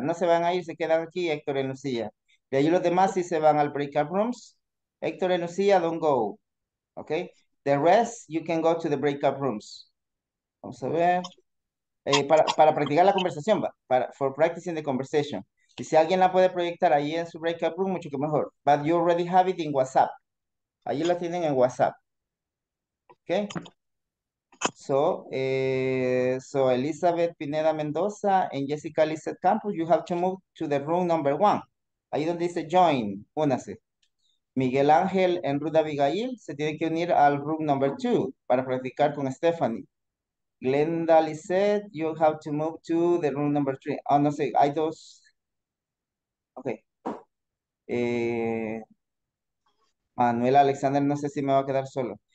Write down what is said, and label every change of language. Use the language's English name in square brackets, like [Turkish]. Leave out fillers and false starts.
[Spanish] No se van a ir, se quedan aquí, Héctor y Lucía. De ahí los demás sí se van al breakout rooms. [English] Héctor y Lucía, don't go. Okay. The rest, you can go to the breakout rooms. [Spanish] Vamos a ver. Para practicar la conversación, [English] for practicing the conversation. [Spanish] Y si alguien la puede proyectar ahí en su breakout room, mucho que mejor. [English] But you already have it in WhatsApp. [Spanish] Ahí la tienen en WhatsApp. [English] Okay. So Elizabeth Pineda Mendoza and Jessica Lizeth Campos, you have to move to the room number one. [Spanish] Ahí donde dice join, únase. Miguel Ángel en Ruth Abigail se tiene que unir al [English] room number two [Spanish] para practicar con Stephanie. [English] Glenda Lizeth, you have to move to the room number three. Oh, [Spanish] no sé, hay dos. Okay. Manuel Alexander, no sé si me va a quedar solo.